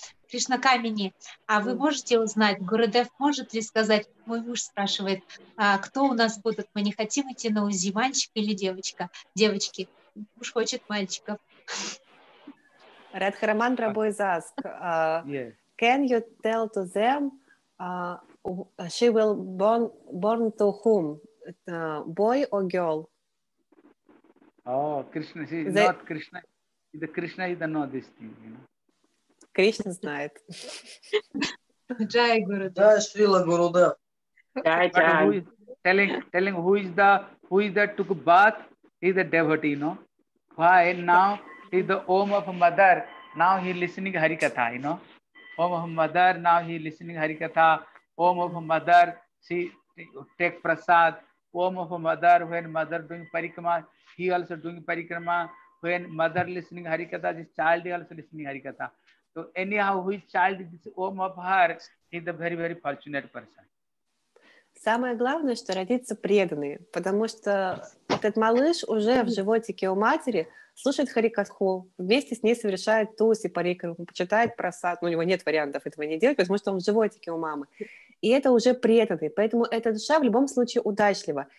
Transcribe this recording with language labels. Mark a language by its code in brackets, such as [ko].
[ru] Кришна Камини, а вы можете узнать, Гурудев может ли сказать, мой муж спрашивает, кто у нас будут, мы не хотим идти на УЗИ, мальчик или девочка? Девочки, муж хочет мальчиков. [en] Радхараман Прабху is asked, can you tell to them, she will born to whom, boy or girl? Oh, Krishna, see, the... not Krishna. The Krishna is the know this thing, you know. [ru] Кришна знает. Джай Гуру. Джай Шрила Гуру. Джай Джай. [en] Telling who is the took bath, he's the devotee, you know. Why? Now he's the om of mother. Now he listening Harikatha, you know. Om of mother, now he listening Harikatha. Om of mother, she take prasad. Om of mother, when mother doing parikrama, he also doing parikrama. When mother listening Harikatha, this child also listening Harikatha. So anyhow, which child is om of her, he's a very, very fortunate person. [ru] Самое главное, что родиться преданные, потому что этот малыш уже в животике у матери слушает харикатху, вместе с ней совершает туси парикраму, почитает прасад, ну, у него нет вариантов этого не делать, потому что он в животике у мамы. И это уже преданный, поэтому эта душа в любом случае удачлива.